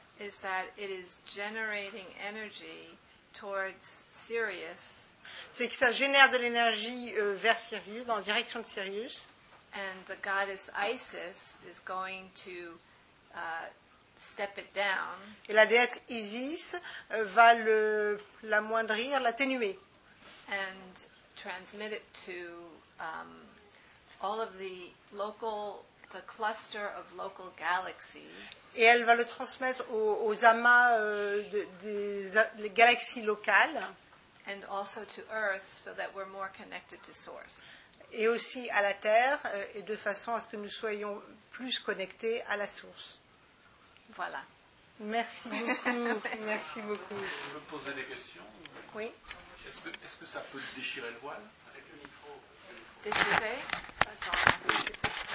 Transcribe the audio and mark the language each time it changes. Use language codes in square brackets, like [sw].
[en] is that it is generating energy towards Sirius. [fr] C'est que ça génère de l'énergie vers Sirius, en direction de Sirius. [en] And the goddess Isis is going to step it down. [fr] Et la déesse Isis va l'amoindrir, l'atténuer. [en] And transmit it to all of the local, the cluster of local galaxies. [fr] Et elle va le transmettre aux amas des galaxies locales. [en] And also to Earth, so that we're more connected to Source. [fr] Et aussi à la Terre, et de façon à ce que nous soyons plus connectés à la Source. Voilà. Merci beaucoup. Merci beaucoup. Je veux poser des questions. Oui. Est-ce que ça peut déchirer le voile avec le micro? Déchirer? Attends.